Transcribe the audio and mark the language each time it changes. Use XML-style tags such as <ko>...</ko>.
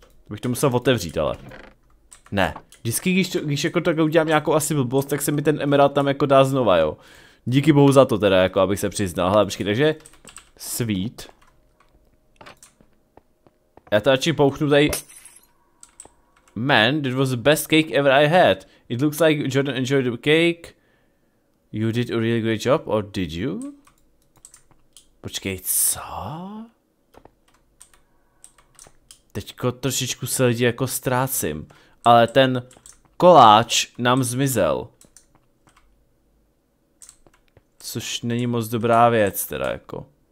<cs>Bych to musel otevřít, ale. Ne. Vždycky, když jako tak udělám nějakou asi blbost, tak se mi ten emerald tam jako dá znova, jo. Díky bohu za to teda, jako abych se přiznal. Hele, počkej, takže sweet. Já to radši pouchnu tady.</cs> <en>Man, this was the best cake ever I had. It looks like Jordan enjoyed the cake. You did a really great job, or did you?</en> <cs>Počkej, co? Teďko trošičku se lidi jako ztrácím. Ale ten koláč nám zmizel. Což není moc dobrá věc teda jako.</cs>